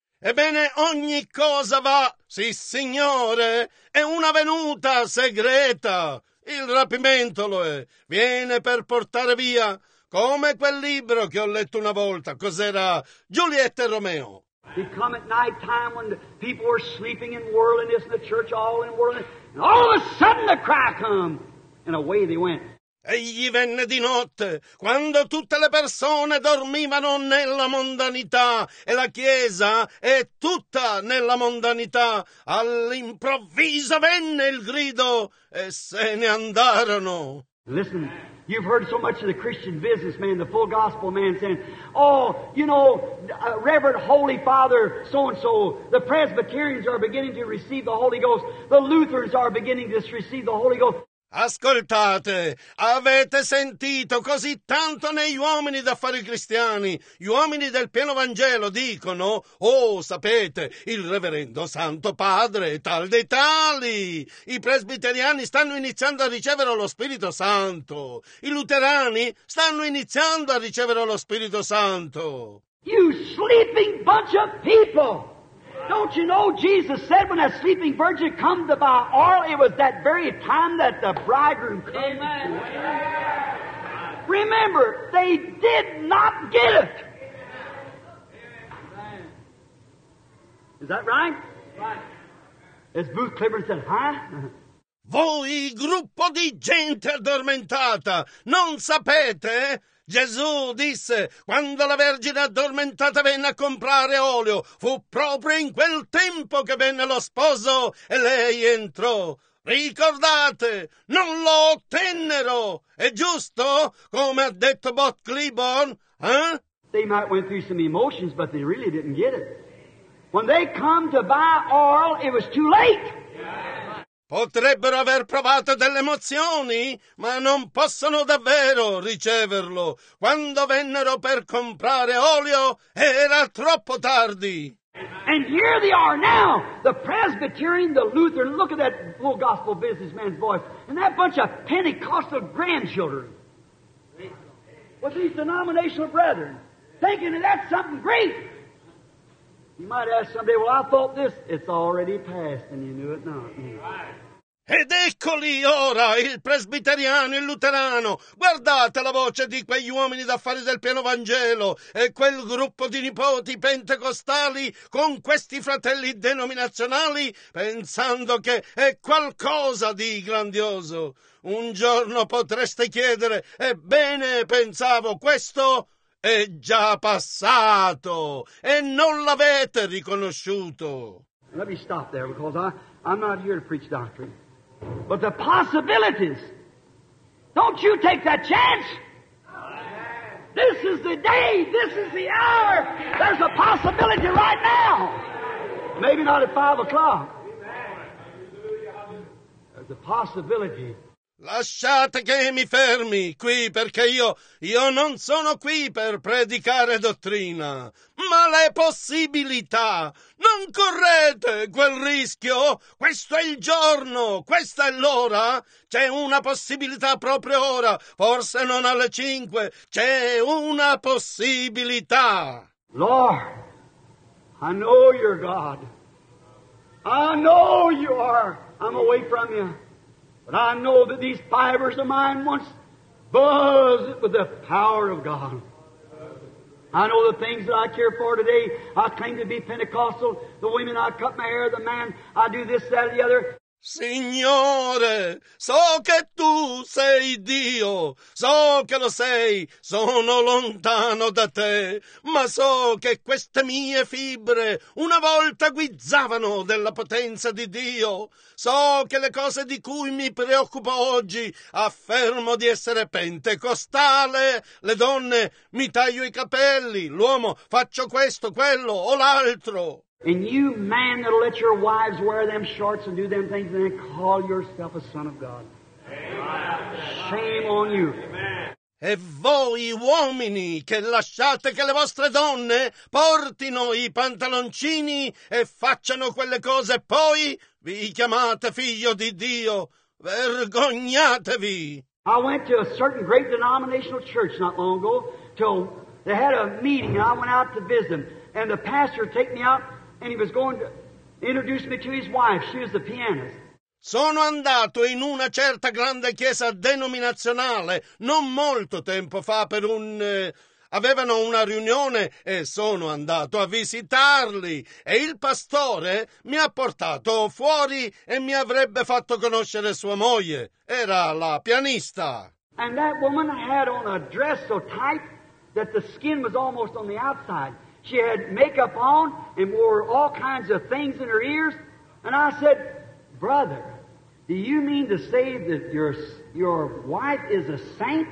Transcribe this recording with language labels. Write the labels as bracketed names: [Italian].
[Italian] Ebbene, ogni cosa va, sì, signore. È una venuta segreta. Il rapimento lo è. Viene per portare via, come quel libro che ho letto una volta. Cos'era? Giulietta e Romeo. [English] He come at night time when the people were sleeping and whirling, isn't the church all in whirling? All of a sudden the cry come, and away they went. [Italian] Egli venne di notte, quando tutte le persone dormivano nella mondanità, e la chiesa è tutta nella mondanità. All'improvviso venne il grido, e se ne andarono. [English] Listen, you've heard so much of the Christian businessman, the full gospel man, saying, oh, you know, Reverend Holy Father so-and-so, the Presbyterians are beginning to receive the Holy Ghost, the Lutherans are beginning to receive the Holy Ghost. [Italian] Ascoltate, avete sentito così tanto negli uomini d'affari cristiani, gli uomini del pieno Vangelo dicono, oh, sapete, il reverendo santo padre, tal dei tali, i presbiteriani stanno iniziando a ricevere lo Spirito Santo, i luterani stanno iniziando a ricevere lo Spirito Santo. [English] You sleeping bunch of people! Don't you know Jesus said when that sleeping virgin come to buy oil, it was that very time that the bridegroom came. Amen. Amen. Remember, they did not get it. Amen. Is that right? Right. As Booth Clibborn said, huh? [Italian] Voi, gruppo di gente addormentata, non sapete? Gesù disse, quando la Vergine addormentata venne a comprare olio, fu proprio in quel tempo che venne lo sposo e lei entrò. Ricordate, non lo ottennero. È giusto, come ha detto Booth Clibborn? Eh? [English] They might went through some emotions, but they really didn't get it. When they come to buy oil, it was too late. [Italian] Potrebbero aver provato delle emozioni, ma non possono davvero riceverlo. Quando vennero per comprare olio, era troppo tardi. [English] And here they are now, the Presbyterian, the Lutheran, look at that full gospel businessman's voice, and that bunch of Pentecostal grandchildren, with these denominational brethren, thinking that that's something great. You might ask somebody, well, I thought this, it's already passed, and you knew it not. [Italian] Ed eccoli ora il presbiteriano, il luterano. Guardate la voce di quegli uomini d'affari del pieno Vangelo e quel gruppo di nipoti pentecostali con questi fratelli denominazionali pensando che è qualcosa di grandioso. Un giorno potreste chiedere, ebbene, pensavo, questo è già passato e non l'avete riconosciuto. [English] Let me stop there because I'm not here to preach doctrine. But the possibilities, don't you take that chance. This is the day, this is the hour. There's a possibility right now. Maybe not at 5 o'clock. There's a possibility. [Italian] Lasciate che mi fermi qui, perché io non sono qui per predicare dottrina, ma le possibilità. Non correte quel rischio. Questo è il giorno, questa è l'ora. C'è una possibilità proprio ora, forse non alle 5. C'è una possibilità. [English] Lord, I know you're God. I know you are. I'm away from you. But I know that these fibers of mine once buzzed with the power of God. I know the things that I care for today. I claim to be Pentecostal. The women, I cut my hair, the man, I do this, that, or the other. [Italian] Signore, so che tu sei Dio, so che lo sei, sono lontano da te, ma so che queste mie fibre una volta guizzavano della potenza di Dio. So che le cose di cui mi preoccupo oggi, affermo di essere pentecostale. Le donne, mi taglio i capelli, l'uomo, faccio questo, quello o l'altro. [English] And you, man, that'll let your wives wear them shorts and do them things and then call yourself a son of God. Amen. Shame on you. [Italian] E voi, uomini, che lasciate che le vostre donne portino i pantaloncini e facciano quelle cose, poi vi chiamate figlio di Dio. Vergognatevi! [English] I went to a certain great denominational church not long ago. They had a meeting and I went out to visit them. And the pastor took me out. And he was going to introduce me to his wife. She was the pianist. [Italian] Sono andato in una certa grande chiesa denominazionale non molto tempo fa per un... avevano una riunione e sono andato a visitarli. E il pastore mi ha portato fuori e mi avrebbe fatto conoscere sua moglie. Era la pianista. [English] And that woman had on a dress so tight that the skin was almost on the outside. She had makeup on and wore all kinds of things in her ears. And I said, brother, do you mean to say that your wife is a saint?